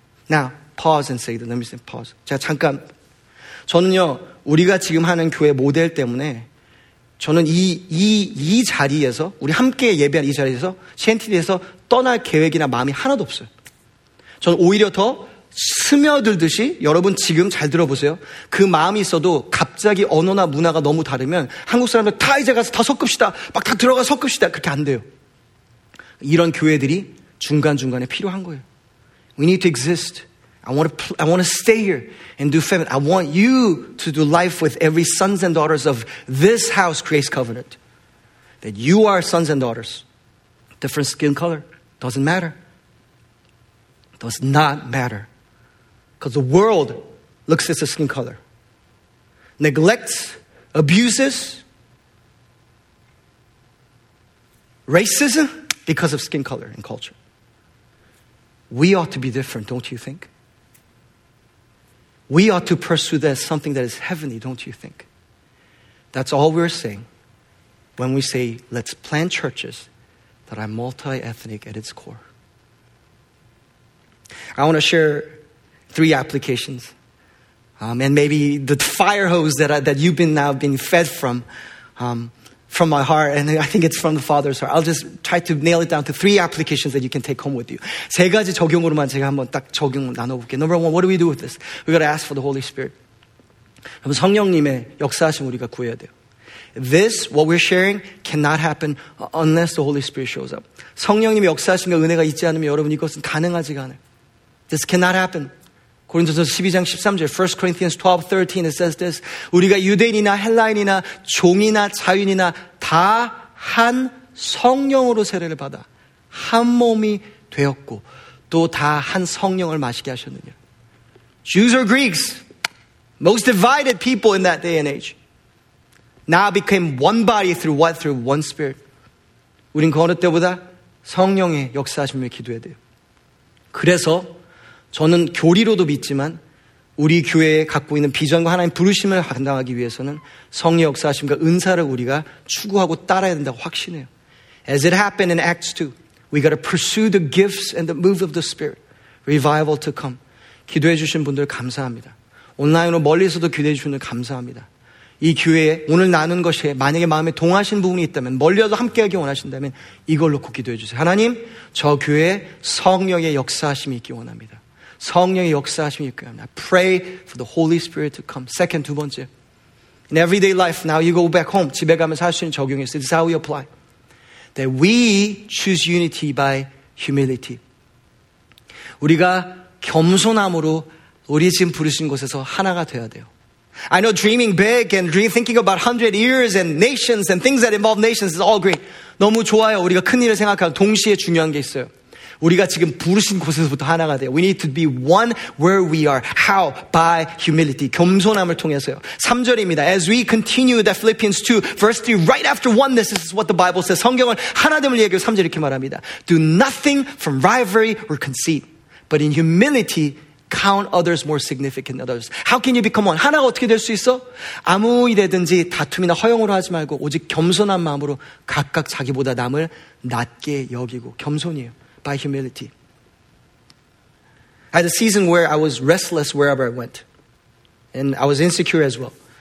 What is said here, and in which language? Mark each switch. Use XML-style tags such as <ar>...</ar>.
<en>Now, pause and say that. Let me say pause.</en> <ko>자, 잠깐. 저는요, 우리가 지금 하는 교회 모델 때문에 저는 이 자리에서, 우리 함께 예배한 이 자리에서, 시엔티디에서 떠날 계획이나 마음이 하나도 없어요. 저는 오히려 더 스며들듯이, 여러분 지금 잘 들어보세요. 그 마음이 있어도 갑자기 언어나 문화가 너무 다르면 한국 사람들 다 이제 가서 다 섞읍시다. 막 다 들어가 섞읍시다. 그렇게 안 돼요. 이런 교회들이 중간중간에 필요한 거예요.</ko> <en>We need to exist. I want to stay here and do family. I want you to do life with every sons and daughters of this house, Grace Covenant. That you are sons and daughters. Different skin color. Doesn't matter. Does not matter. Because the world looks at the skin color. Neglects, abuses, racism because of skin color and culture. We ought to be different, don't you think? We ought to pursue that as something that is heavenly, don't you think? That's all we're saying when we say, let's plant churches that are multi-ethnic at its core. I want to share three applications. And maybe the fire hose that you've been now being fed from my heart, and I think it's from the Father's heart. I'll just try to nail it down to three applications that you can take home with you.</en> <ko>세 가지 적용으로만 제가 한번 딱 적용 나눠볼게.</ko> <en>Number one, what do we do with this? We got to ask for the Holy Spirit.</en> <ko>그럼 성령님의 역사하심 우리가 구해야 돼요.</ko> <en>This, what we're sharing, cannot happen unless the Holy Spirit shows up.</en> <ko>성령님의 역사하심과 은혜가 있지 않으면 여러분 이것은 가능하지가 않아요.</ko> <en>This cannot happen.</en> <ko>고린도서 12장 13절,</ko> <en>1 Corinthians 12, 13, it says this.</en> <ko>우리가 유대인이나 헬라인이나 종이나 자유인이나 다 한 성령으로 세례를 받아 한 몸이 되었고 또 다 한 성령을 마시게 하셨느냐.</ko> <en>Jews or Greeks, most divided people in that day and age, now became one body through what? Through one spirit.</en> <ko>우린 그 어느 때보다 성령의 역사하심을 기도해야 돼요. 그래서 저는 교리로도 믿지만 우리 교회에 갖고 있는 비전과 하나님 부르심을 감당하기 위해서는 성령 역사하심과 은사를 우리가 추구하고 따라야 된다고 확신해요.</ko> <en>As it happened in Acts 2, we got to pursue the gifts and the move of the Spirit. Revival to come.</en> <ko>기도해 주신 분들 감사합니다. 온라인으로 멀리서도 기도해 주신 분들 감사합니다. 이 교회에 오늘 나눈 것이 만약에 마음에 동하신 부분이 있다면, 멀리라도 함께하기 원하신다면 이걸 놓고 기도해 주세요. 하나님, 저 교회에 성령의 역사하심이 있기 원합니다. 성령의 역사하심이 있기 원합니다.</ko> <en>Pray for the Holy Spirit to come. Second,</en> <ko>두 번째.</ko> <en>In everyday life, now you go back home.</en> <ko>집에 가면서 할 수 있는 적용이 있어요.</ko> <en>This is how we apply. That we choose unity by humility.</en> <ko>우리가 겸손함으로 우리 지금 부르신 곳에서 하나가 되어야 돼요.</ko> <en>I know dreaming big and thinking about 100 years and nations and things that involve nations is all great.</en> <ko>너무 좋아요. 우리가 큰 일을 생각하고 동시에 중요한 게 있어요. 우리가 지금 부르신 곳에서부터 하나가 돼요.</ko> <en>We need to be one where we are. How? By humility.</en> <ko>겸손함을 통해서요. 3절입니다.</ko> <en>As we continue that Philippians 2 verse 3 right after oneness, this is what the Bible says.</en> <ko>성경은 하나됨을 얘기하고 3절 이렇게 말합니다.</ko> <en>Do nothing from rivalry or conceit, but in humility count others more significant than others. How can you become one?</en> <ko>하나가 어떻게 될 수 있어? 아무 일이든지 다툼이나 허용으로 하지 말고 오직 겸손한 마음으로 각각 자기보다 남을 낮게 여기고 겸손이에요.</ko> <en>By humility. I had a season where I was restless wherever I went. And I was insecure as well.</en>